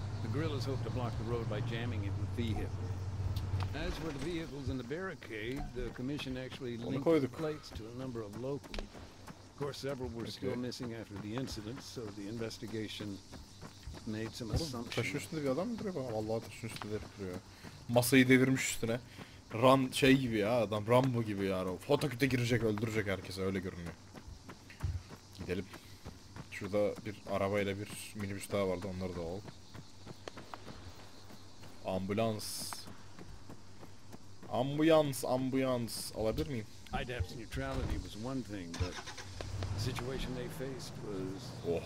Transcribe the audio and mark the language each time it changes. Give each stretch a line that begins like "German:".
English: The guerrillas hoped to block the road by jamming it with vehicles. As for the vehicles in the barricade, the commission actually linked the plates to a number of locals. Of course, several were still missing after the incident, so the investigation made some assumptions.
Turkish: Taşın üstünde bir adam mıdır ya? Allah taşın üstünde duruyor. Masayı devirmiş üstüne. Ram şey gibi ya, adam Rambo gibi ya. Fotoküte girecek, öldürecek herkese, öyle görünüyor. Gidelim. Şurada bir arabayla bir minibüs daha vardı, onları da al. Ambulans. Ambulans, ambulans alabilir miyim?
English: IDAP's neutrality was one thing, but the situation they faced was...